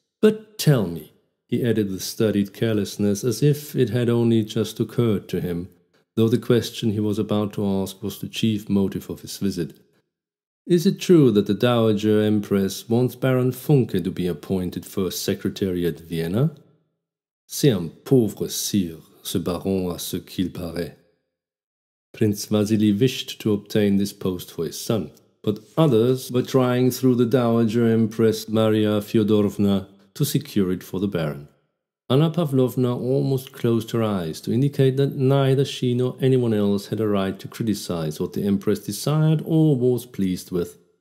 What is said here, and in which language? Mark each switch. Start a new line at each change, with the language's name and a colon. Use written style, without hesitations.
English: But tell me, he added with studied carelessness, as if it had only just occurred to him, though the question he was about to ask was the chief motive of his visit. Is it true that the Dowager Empress wants Baron Funke to be appointed first secretary at Vienna?
French: C'est un pauvre sire, ce baron à ce qu'il paraît.
English: Prince Vasili wished to obtain this post for his son, but others were trying through the Dowager Empress Maria Fyodorovna to secure it for the Baron. Anna Pavlovna almost closed her eyes to indicate that neither she nor anyone else had a right to criticize what the Empress desired or was pleased with.